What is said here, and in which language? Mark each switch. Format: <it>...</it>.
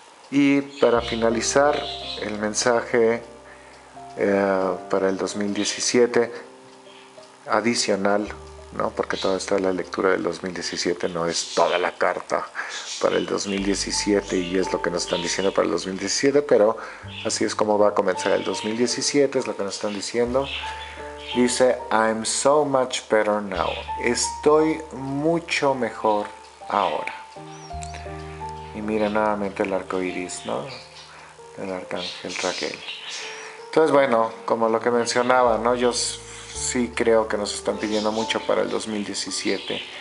<es>Y para finalizar el mensaje para el 2017 adicional, ¿no? Porque toda esta la lectura del 2017 no es toda la carta para el 2017 y es lo que nos están diciendo para el 2017, pero así es como va a comenzar el 2017, es lo que nos están diciendo. Dice,</es> <en>I'm so much better now.</en> <es>Estoy mucho mejor ahora. Y mira nuevamente el arco iris, ¿no? El arcángel Raquel. Entonces, bueno, como lo que mencionaba, ¿no? Yo sí creo que nos están pidiendo mucho para el 2017.</es>